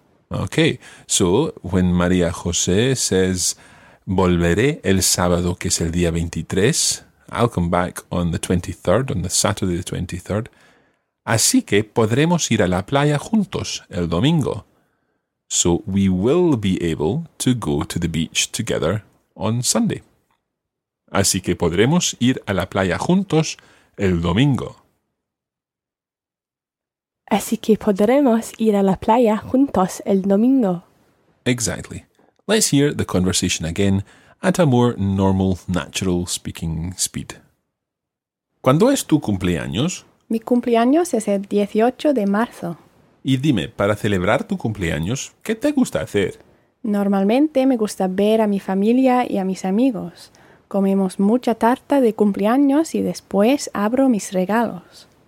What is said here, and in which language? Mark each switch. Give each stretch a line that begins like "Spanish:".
English: Okay, so when María José says,
Spanish: volveré el sábado, que es el día 23,
English: I'll come back on the 23rd,
Spanish: on the Saturday the 23rd, así que podremos ir a la playa juntos el domingo.
English: So we will be able to go to the beach together on Sunday.
Spanish: Así que podremos ir a la playa juntos el domingo. Así que podremos ir a la playa juntos el domingo.
English: Exactly. Let's hear the conversation again at a more normal, natural speaking speed.
Spanish: ¿Cuándo es tu cumpleaños? Mi cumpleaños es el 18 de marzo. Y dime, para celebrar tu cumpleaños, ¿qué te gusta hacer? Normalmente me gusta ver a mi familia y a mis amigos. Comemos mucha tarta de cumpleaños y después abro mis regalos.